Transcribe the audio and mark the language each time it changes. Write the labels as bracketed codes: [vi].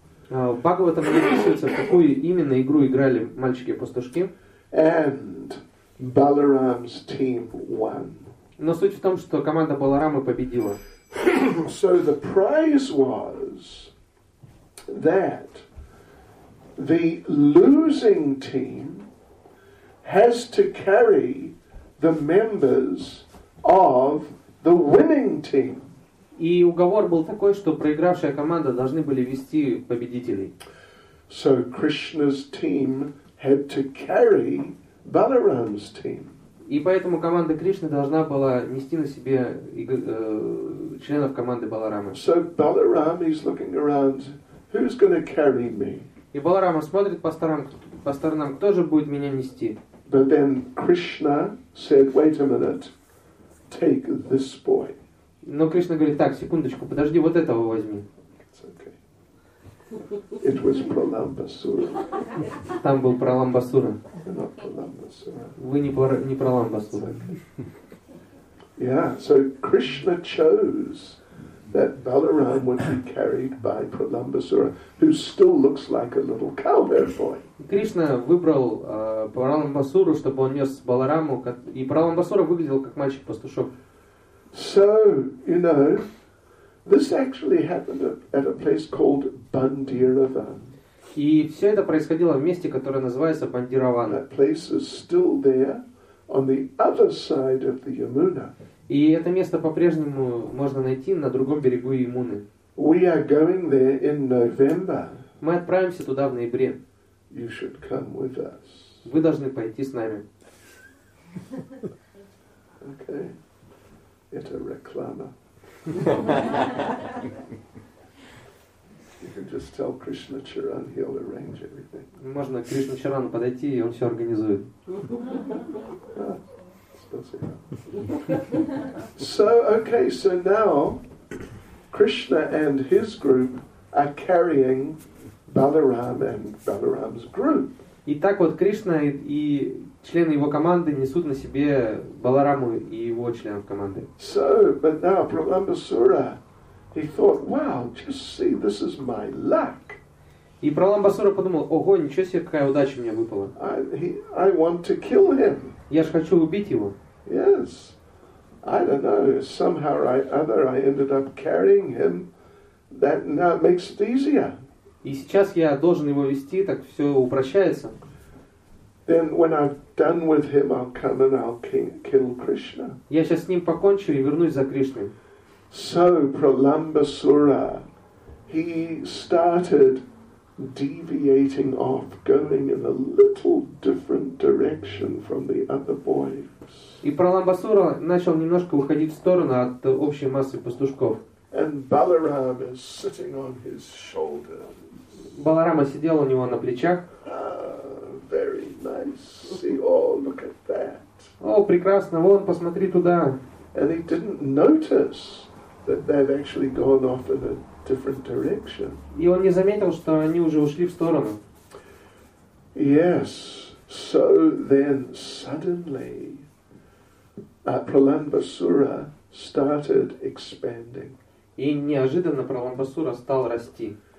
[ru] Бхагаватам не описывается, в какую именно игру играли мальчики-пастушки. [en] And Balaram's team won. [ru] Но суть в том, что команда Баларамы победила. [en] So the prize was that the losing team has to carry the members of the winning team. [ru] И уговор был такой, что проигравшая команда должны были вести победителей. [en] So Krishna's team had to carry Balaram's team. [ru] И поэтому команда Кришны должна была нести на себе членов команды Баларамы. [en] So Balaram is looking around. Who's going to carry me? [ru] И Баларама смотрит по сторонам, кто же будет меня нести? [en] But then Krishna said, "Wait a minute, take this boy." [ru] Но Кришна говорит: "Так, секундочку, подожди, вот этого возьми." [en] It's okay. It was Pralambasura. [ru] Там был Pralambasura. [en] Not Pralambasura. [ru] Вы не Pralambasura. [en] Okay. Yeah. So Krishna chose that Balaram would be carried by Pralambasura, who still looks like a little cowherd boy. [ru] Кришна выбрал Pralambasura, чтобы он нес Балараму, и Pralambasura выглядел как мальчик-пастушок. [en] So, you know, this actually happened at a place called Bandiravan. [ru] И все это происходило в месте, которое называется Бандиравана. [en] That place is still there on the other side of the Yamuna. [ru] И это место по-прежнему можно найти на другом берегу Ямуны. [en] We are going there in November. [ru] Мы отправимся туда в ноябре. [en] You should come with us. [ru] Вы должны пойти с нами. Okay. Это реклама. [en] You can just tell Krishna Charan, he'll arrange everything. [ru] Можно к Кришна Чарану подойти, и он все организует. [en] So, okay, so now Krishna and his group are carrying Balaram and Balaram's group. [ru] Итак, вот Кришна и члены его команды несут на себе Балараму и его членов команды. [en] So, but now Pralambasura, he thought, wow, just see, this is my luck. [ru] И Pralambasura подумал, ого, ничего себе, какая удача мне выпала. [en] I want to kill him. [ru] Я ж хочу убить его. [en] Yes, I don't know, somehow or other I ended up carrying him, that now makes it easier. [ru] И сейчас я должен его вести, так все упрощается. [en] Then when I've done with him, I'll come and I'll kill Krishna. [ru] Я сейчас с ним покончу и вернусь за Кришной. [en] So Pralambasura, he started deviating off, going in a little different direction from the other boys. [ru] И Pralambasura начал немножко уходить в сторону от общей массы пастушков. [en] And Balaram is sitting on his shoulder. [ru] Баларама сидел у него на плечах. [en] Ah, very nice. See, oh, look at that. [ru] О, прекрасно, вон, посмотри туда. [en] And he didn't notice that they've actually gone off in a different direction. [ru] И он не заметил, что они уже ушли в сторону. [en] Yes. So then suddenly Pralambasura started expanding. [ru] И неожиданно Pralambasura стал расти.